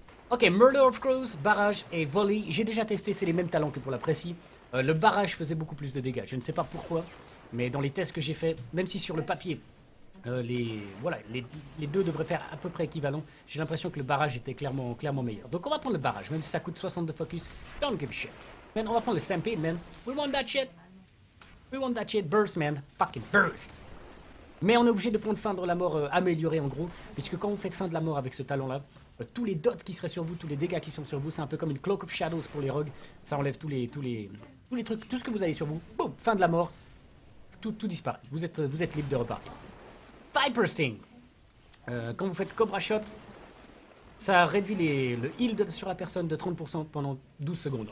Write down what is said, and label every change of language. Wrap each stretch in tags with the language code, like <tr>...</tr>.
<fr>Ok, Murder of Crows, barrage et volley. J'ai déjà testé, c'est les mêmes talents que pour la précis. Le barrage faisait beaucoup plus de dégâts. Je ne sais pas pourquoi, mais dans les tests que j'ai fait, même si sur le papier, les deux devraient faire à peu près équivalent, j'ai l'impression que le barrage était clairement meilleur. Donc on va prendre le barrage, même si ça coûte 60 de focus.</fr> <en>Don't give a shit.</en> <fr>Man, on va prendre le Stampede, man.</fr> <en>We want that shit. We want that shit. Burst, man. Fucking burst.</en> <fr>Mais on est obligé de prendre fin de la mort améliorée, en gros. Puisque quand vous faites fin de la mort avec ce talent-là, tous les dots qui seraient sur vous, tous les dégâts qui sont sur vous, c'est un peu comme une Cloak of Shadows pour les rogues. Ça enlève tous les trucs, tout ce que vous avez sur vous. Boum, fin de la mort. Tout disparaît. Vous êtes libre de repartir. Viper Sting. Quand vous faites Cobra Shot, ça réduit le heal sur la personne de 30% pendant 12 secondes.</fr>